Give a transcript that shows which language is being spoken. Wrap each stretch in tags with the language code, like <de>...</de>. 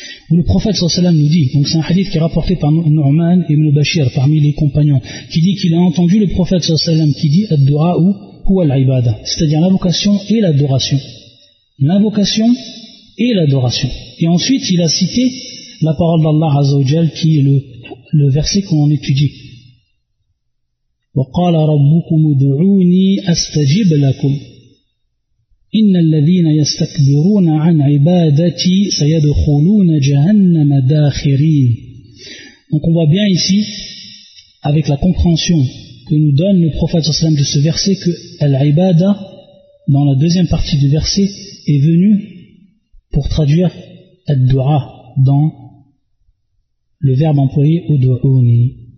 <fr>Où le prophète sallallahu alayhi wa sallam nous dit, donc c'est un hadith qui est rapporté par Nu'man ibn Bashir parmi les compagnons, qui dit qu'il a entendu le prophète sallallahu alayhi wa sallam qui dit</fr> <ar>ad-du'a'u huwa al-ibada,</ar> <fr>c'est-à-dire l'invocation et l'adoration. L'invocation et l'adoration. Et ensuite il a cité la parole d'Allah Azza wa Jal qui est le verset qu'on étudie.</fr> <ar>وقال ربكم ادعوني أستجب لكم إن الذين يستكبرون عن عبادتي سيدخلون جهنم داخرين.</ar> <fr>Donc on voit bien ici, avec la compréhension que nous donne le prophète sur de ce verset, que Al-Ibada, dans la deuxième partie du verset, est venue pour traduire Al-Dua dans le verbe employé Udu'uni.</fr>